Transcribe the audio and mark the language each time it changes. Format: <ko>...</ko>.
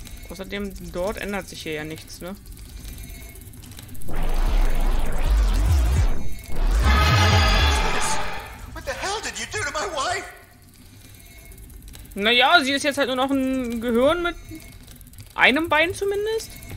<de>Außerdem, dort ändert sich hier ja nichts, ne?</de> <en>What the hell did you do to my wife?</en> <de>Naja, sie ist jetzt halt nur noch ein Gehirn mit einem Bein zumindest.</de>